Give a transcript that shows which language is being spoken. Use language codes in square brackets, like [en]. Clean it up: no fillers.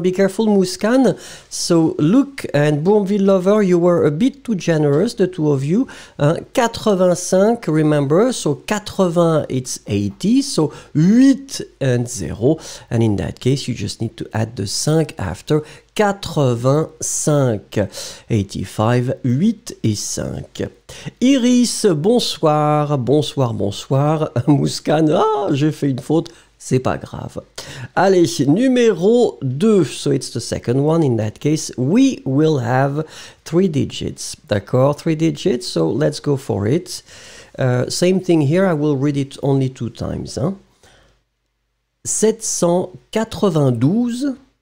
[en] Be careful, Muskan. So, Luke and Bourneville Lover, you were a bit too generous, the two of you. 85, remember. So, 80, it's 80. So, 8 and 0. And in that case, you just need to add the 5 after 85, 85, [fr] 8 et 5. Iris, bonsoir, bonsoir, bonsoir. Mouskan, ah, j'ai fait une faute. C'est pas grave. Allez, numéro 2. [en] So it's the second one in that case. We will have 3 digits. [fr] D'accord, [en] 3 digits. So let's go for it. Same thing here, I will read it only 2 times. Hein. 792.